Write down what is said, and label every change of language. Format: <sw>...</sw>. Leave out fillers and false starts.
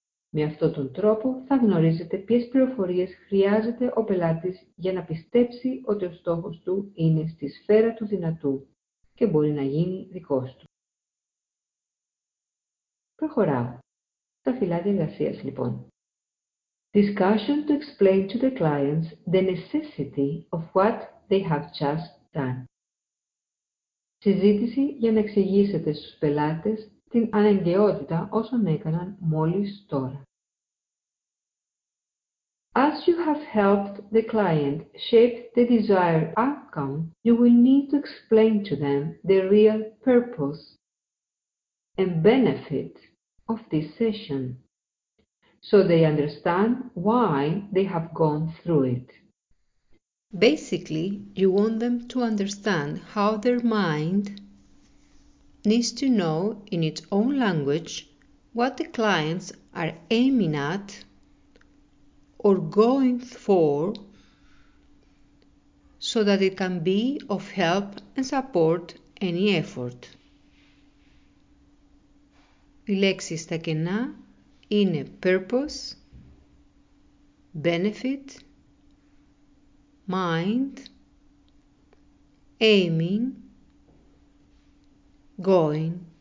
<el>Με αυτόν τον τρόπο θα γνωρίζετε ποιες πληροφορίες χρειάζεται ο πελάτης για να πιστέψει ότι ο στόχος του είναι στη σφαίρα του δυνατού και μπορεί να γίνει δικός του. Προχωράω. Τα φυλάδια εργασίας λοιπόν.</el> <en>Discussion to explain to the clients the necessity of what they have just done.</en> <el>Συζήτηση για να εξηγήσετε στους πελάτες την αναγκαιότητα όσων έκαναν μόλις τώρα.</el> <en>As you have helped the client shape the desired outcome, you will need to explain to them the real purpose and benefit of this session, so they understand why they have gone through it. Basically, you want them to understand how their mind needs to know in its own language what the clients are aiming at or going for so that it can be of help and support any effort.</en> <el>Οι λέξεις στα κενά είναι purpose, benefit, mind, aiming, going.</el>